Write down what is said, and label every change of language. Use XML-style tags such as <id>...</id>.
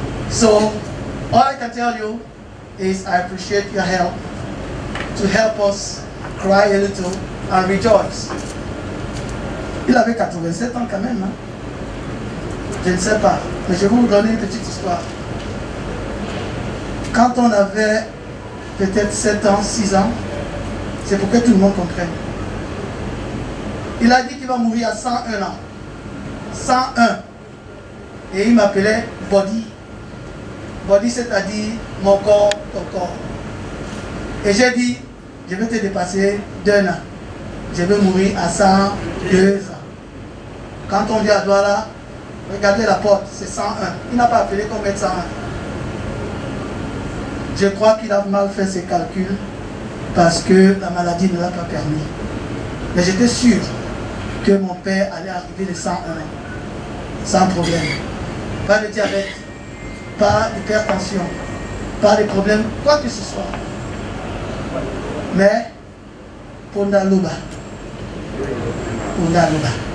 <en>So, all I can tell you is I appreciate your help to help us cry a little and rejoice.</en> <fr>Il avait 87 ans quand même, hein? Je ne sais pas, mais je vais vous donner une petite histoire. Quand on avait peut-être 7 ans, 6 ans, c'est pour que tout le monde comprenne. Il a dit qu'il va mourir à 101 ans. 101. Et il m'appelait Body. Body, c'est-à-dire mon corps, ton corps. Et j'ai dit, je vais te dépasser d'un an. Je vais mourir à 102 ans. Quand on dit à Douala, regardez la porte, c'est 101. Il n'a pas appelé combien de 101. Je crois qu'il a mal fait ses calculs parce que la maladie ne l'a pas permis. Mais j'étais sûr que mon père allait arriver les 101 sans problème. Pas de diabète, pas d'hypertension, pas de problème, quoi que ce soit. Mais, Pondaluba, Pondaluba.</fr>